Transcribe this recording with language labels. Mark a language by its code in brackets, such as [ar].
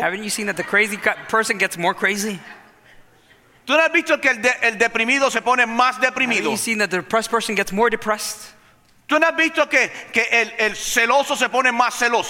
[en] Haven't you seen that the crazy person gets more crazy? [es] ¿Tú no has visto que el deprimido se pone más deprimido? [en] Haven't you seen that the depressed person gets more depressed? [es] ¿Tú no has visto que el celoso se pone más celoso?